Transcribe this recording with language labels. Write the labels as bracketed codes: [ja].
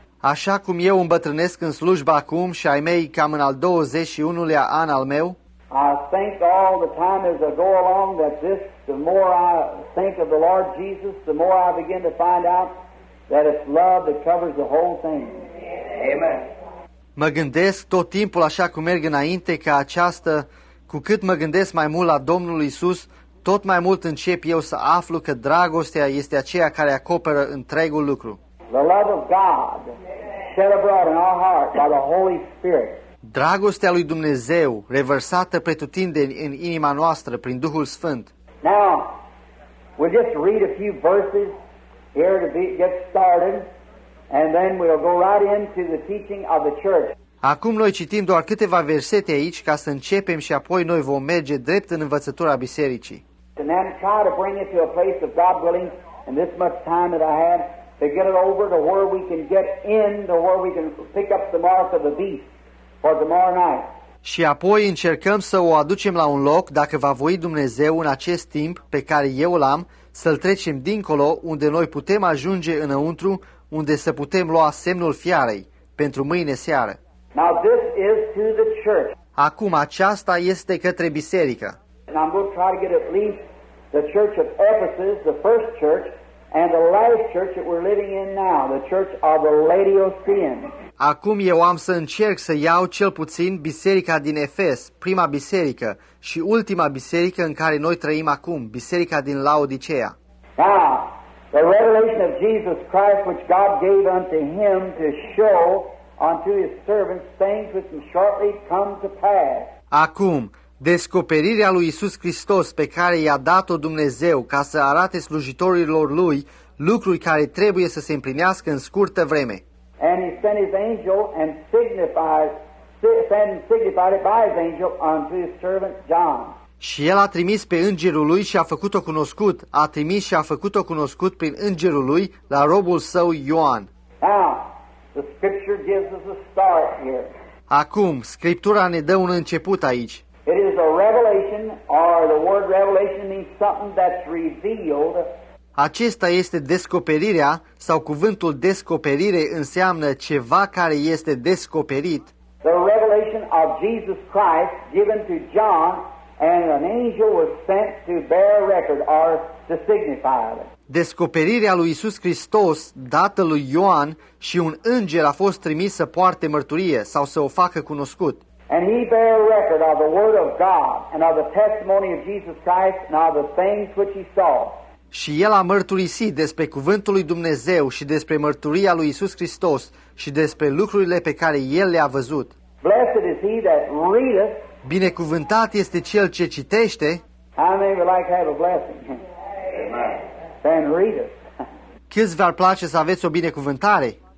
[ro] Așa cum eu îmbătrânesc în slujba acum și ai mei cam în al 21-lea an al meu. [en] I think all the time as I go along that this, the more I think of the Lord Jesus, the more I begin to find out that it's love that covers the whole thing. Amen. [ro] Mă gândesc tot timpul așa cum merg înainte ca aceasta, cu cât mă gândesc mai mult la Domnul Iisus, tot mai mult încep eu să aflu că dragostea este aceea care acoperă întregul lucru. [en] The love of God shed abroad in our hearts by the Holy Spirit. [ro] Dragostea lui Dumnezeu revărsată pretutindeni în inima noastră prin Duhul Sfânt. [en] Now, we'll just read a few verses here to get started, and then we'll go right into the teaching of the church. [ro] Acum noi citim doar câteva versete aici ca să începem și apoi noi vom merge drept în învățătura bisericii. [en] And then try to bring it to a place of God willing in this much time that I have to get it over to where we can get in, to where we can pick up the mark of the beast for tomorrow night. [ro] Și apoi încercăm să o aducem la un loc, dacă va voi Dumnezeu în acest timp pe care eu îl am, să-l trecem dincolo unde noi putem ajunge înăuntru, unde să putem lua semnul fiarei pentru mâine seară. [en] Now this is to the church. [ro] Acum aceasta este către biserică. [en] And I'm going to try to get at least the church of Ephesus, the first church, and the last church that we're living in now, the church of the Laodicean. [ro] Acum eu am să încerc să iau cel puțin biserica din Efes, prima biserică, și ultima biserică în care noi trăim acum, biserica din Laodicea. [en] Now, the revelation of Jesus Christ which God gave unto him to show unto his servants things which will shortly come to pass. [ro] Acum, descoperirea lui Iisus Hristos pe care i-a dat-o Dumnezeu ca să arate slujitorilor lui lucruri care trebuie să se împlinească în scurtă vreme. [en] And he sent his angel and signified it by his angel unto his servant John. [ro] Și el a trimis pe îngerul lui și a făcut-o cunoscut. A trimis și a făcut-o cunoscut prin îngerul lui la robul său Ioan. [en] Now, the scripture gives us a start here. [ro] Acum, Scriptura ne dă un început aici. [en] It is a revelation, or the word revelation means something that's revealed. [ro] Acesta este descoperirea, sau cuvântul descoperire înseamnă ceva care este descoperit. [en] The revelation of Jesus Christ given to John and an angel was sent to bear record or to signify it. [ro] Descoperirea lui Iisus Hristos dată lui Ioan și un înger a fost trimis să poarte mărturie sau să o facă cunoscut. [en] And he bear record of the word of God and of the testimony of Jesus Christ and of the things which he saw. [ro] Și el a mărturisit despre cuvântul lui Dumnezeu și despre mărturia lui Iisus Hristos și despre lucrurile pe care el le-a văzut. [en] Blessed is he that readeth. [ro] Binecuvântat este cel ce citește. [en] How many would like to have a blessing? Then read it. [ro] Câți v-ar place să aveți o binecuvântare?